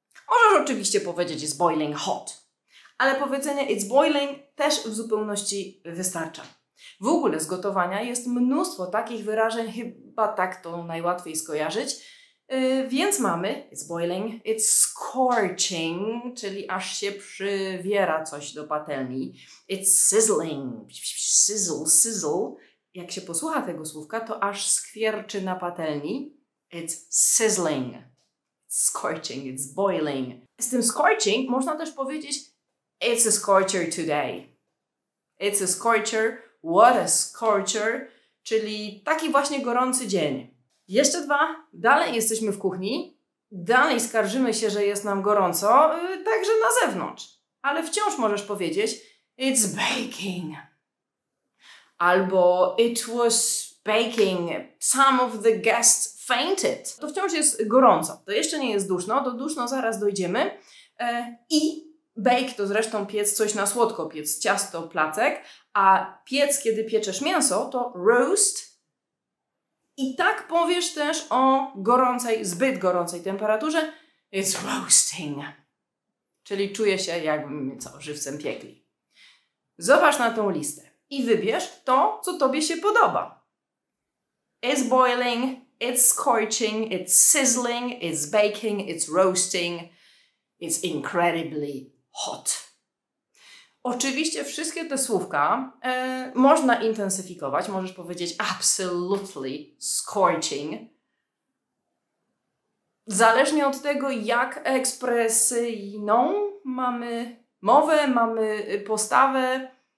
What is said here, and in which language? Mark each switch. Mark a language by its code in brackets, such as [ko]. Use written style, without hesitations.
[pl] Możesz oczywiście powiedzieć [en] it's boiling hot. [pl] Ale powiedzenie [en] it's boiling [pl] też w zupełności wystarcza. W ogóle z gotowania jest mnóstwo takich wyrażeń, chyba tak to najłatwiej skojarzyć. Więc mamy [en] it's boiling, it's scorching, [pl] czyli aż się przywiera coś do patelni. [en] It's sizzling, sizzle, sizzle. [pl] Jak się posłucha tego słówka, to aż skwierczy na patelni. [en] It's sizzling, scorching, it's boiling. [pl] Z tym scorching można też powiedzieć [en] it's a scorcher today. It's a scorcher, what a scorcher, [pl] czyli taki właśnie gorący dzień. Jeszcze dwa, dalej jesteśmy w kuchni, dalej skarżymy się, że jest nam gorąco, także na zewnątrz. Ale wciąż możesz powiedzieć [en] it's baking. [pl] Albo [en] it was baking, some of the guests fainted. [pl] To wciąż jest gorąco, to jeszcze nie jest duszno, to duszno zaraz dojdziemy. I bake to zresztą piec coś na słodko, piec ciasto, placek, a piec, kiedy pieczesz mięso, to roast. I tak powiesz też o gorącej, zbyt gorącej temperaturze. [en] It's roasting. [pl] Czyli czuję się jakbym co, żywcem piekli. Zobacz na tą listę i wybierz to, co tobie się podoba. [en] It's boiling, it's scorching, it's sizzling, it's baking, it's roasting, it's incredibly hot. [pl] Oczywiście wszystkie te słówka można intensyfikować. Możesz powiedzieć [en] absolutely scorching. [pl] Zależnie od tego, jak ekspresyjną mamy mowę, mamy postawę.